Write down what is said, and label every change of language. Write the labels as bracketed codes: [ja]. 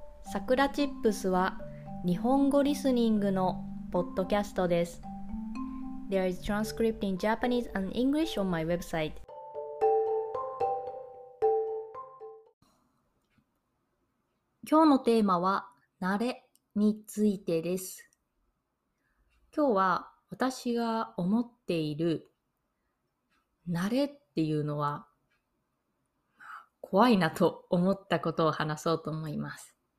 [ja] さくらチップスは日本語リスニングのポッドキャストです。 [en] There is transcript in Japanese and English on my website。 [ja] 今日のテーマは慣れについてです。今日は私が思っている慣れっていうのは怖いなと思ったことを話そうと思います。